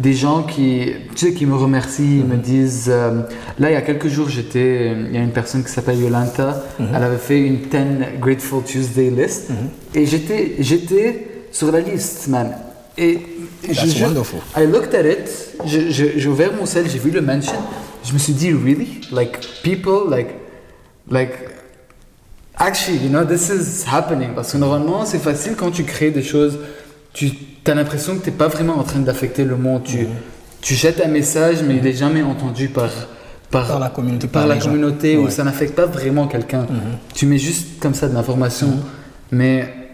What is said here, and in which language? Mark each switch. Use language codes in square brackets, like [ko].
[fr] Des gens qui, tu sais, qui me remercient, mm-hmm. me disent. Là, il y a quelques jours, il y a une personne qui s'appelle Yolanta. Mm-hmm. Elle avait fait une 10 Grateful Tuesday list. Mm-hmm. Et j'étais sur la liste, man. Et [en] That's wonderful. I looked at it. [fr] J'ai ouvert mon cell, j'ai vu le mention. Je me suis dit, [en] really? Like, people, like, actually, you know, this is happening. [fr] Parce que normalement, c'est facile quand tu crées des choses, tu as l'impression que tu n'es pas vraiment en train d'affecter le monde. Mm-hmm. Tu jettes un message, mais mm-hmm. il n'est jamais entendu par la communauté. Par la communauté, ou ça n'affecte pas vraiment quelqu'un. Mm-hmm. Tu mets juste comme ça de l'information. Mm-hmm.